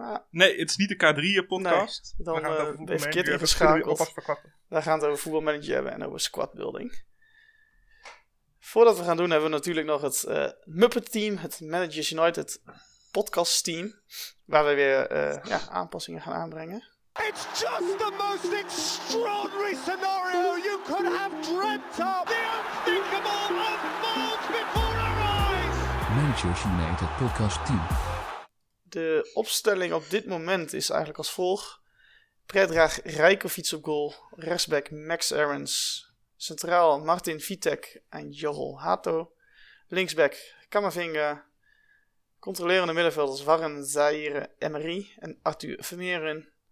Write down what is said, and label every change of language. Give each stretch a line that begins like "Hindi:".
Dutch: Nee, het is niet de K3-podcast. Nee, dan ben je verkeerd ingeschakeld. We gaan het over voetbalmanager hebben en over squadbuilding. Voordat we gaan doen, hebben we natuurlijk nog het Muppet-team, het Managers United podcast team, waar we weer aanpassingen gaan aanbrengen.
English: It's just the most extraordinary scenario you could have dreamt of. The unthinkable unfolds before our eyes. Managers United podcast team.
Dutch: De opstelling op dit moment is eigenlijk als volgt. Predrag Rijkovic op goal, rechtsback Max Aarons, centraal Martin Vitek en Jorrel Hato, linksback Camavinga, controlerende middenvelders Warren Zaire Emery en Arthur Vermeeren.